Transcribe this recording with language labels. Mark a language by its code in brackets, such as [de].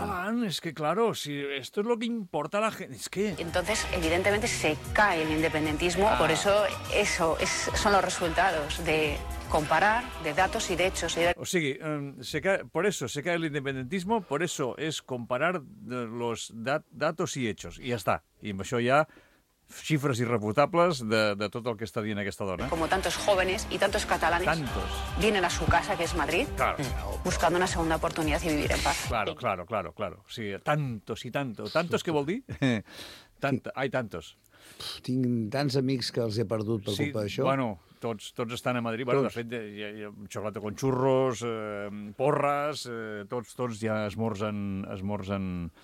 [es] Catalán, es que claro, si esto es lo que importa a la gente, es que... Entonces, evidentemente, se cae el independentismo, por eso son los resultados de... comparar de datos y de hechos. [ca] O sigui, [es] se cae el independentismo, por eso es comparar los datos y hechos. [ca] I ja està. I amb això hi ha xifres irrefutables de tot el que està dient aquesta dona. [es] Como tantos jóvenes y tantos catalanes vienen a su casa, que es Madrid, buscando una segunda oportunidad y vivir en paz. Claro. [ca] O sigui, tantos, què vol dir? [es] Hay tantos. [ca] Tinc tants amics que els he perdut per culpa d'això. Sí, bueno... Tots estan a Madrid. Bueno, de fet, hi ha xocolata con churros, porres... Tots ja esmorzen...